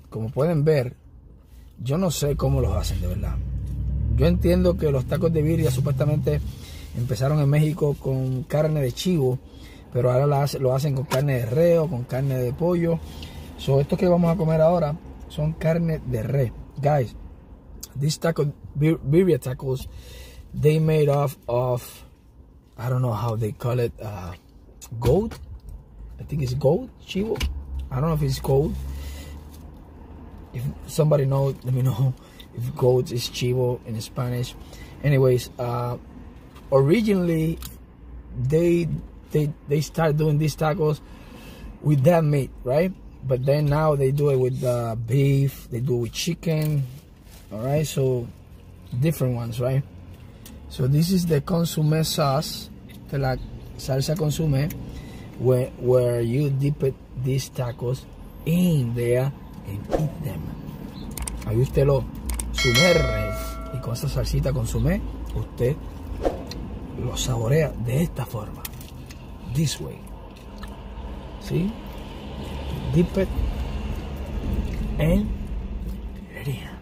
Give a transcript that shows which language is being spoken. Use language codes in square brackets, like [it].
[es] Como pueden ver, yo no sé cómo los hacen de verdad. Yo entiendo que los tacos de birria supuestamente empezaron en México con carne de chivo, pero ahora lo hacen con carne de reo, con carne de pollo. So, estos que vamos a comer ahora son carne de re. [en] Guys, these tacos, birria tacos, they made of I don't know how they call it, goat. I think it's goat, chivo. I don't know if it's goat. If somebody knows, let me know if goat is chivo in Spanish. Anyways, originally they started doing these tacos with that meat, right? But then now they do it with beef, they do it with chicken. All right, so different ones, right? So this is the consomme sauce. [es] La salsa consomme, [en] where you dip it, these tacos in there and eat them. [es] Ahí usted lo sumerge y con esa salsita consomme usted lo saborea de esta forma. [en] This way. ¿Sí? Dip it and eat it.